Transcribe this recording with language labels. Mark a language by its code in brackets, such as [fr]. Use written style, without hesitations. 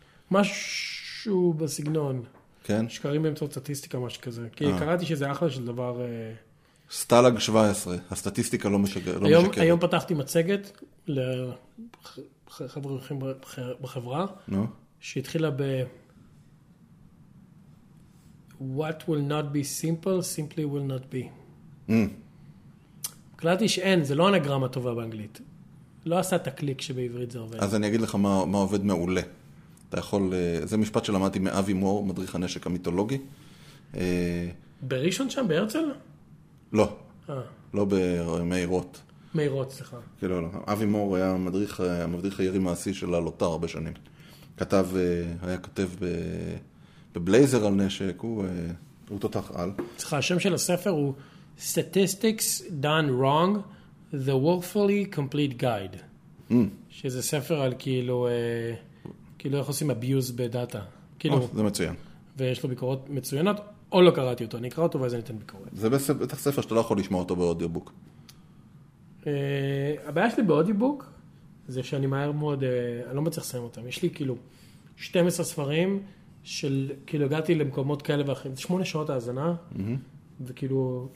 [he] משהו בסגנון. כן? שקרים באמצעות סטטיסטיקה, משהו כזה. כי קראתי שזה אחלה של דבר... סטלג 17, הסטטיסטיקה לא משקרת. היום פתחתי מצגת לחברים בחברה, שהתחילה ב... [en] What will not be simple, simply will not be. [he] קלטתי שאין, זה לא אנגרמה טובה באנגלית. לא עשה את הקליק שבעברית זה עובד. אז אני אגיד לך מה עובד מעולה. אתה יכול, זה משפט שלמדתי מאבי מור, מדריך הנשק המיתולוגי. בראשון שם, בהרצל? לא. לא במהירות. מהירות, סליחה. כאילו, לא. אבי מור היה המדריך הירי מעשי של הלוטר הרבה שנים. כתב, היה כותב ב... בבלייזר על נשק, הוא תותח על. צריך, השם של הספר הוא Statistics Done Wrong, The Woefully Complete Guide. שזה ספר על כאילו, כאילו איך עושים abuse בדאטה. כאילו, זה מצוין. ויש לו ביקורות מצוינות, או לא קראתי אותו, אני אקרא אותו ואז אני אתן ביקורת. זה בטח ספר שאתה לא יכול לשמוע אותו באודיובוק. הבעיה שלי באודיובוק, זה שאני מהר מאוד, אני לא מצליח לסיים אותם. יש לי כאילו 12 ספרים, של, כאילו, הגעתי למקומות כאלה ואחרים, 8 שעות האזנה, וכאילו...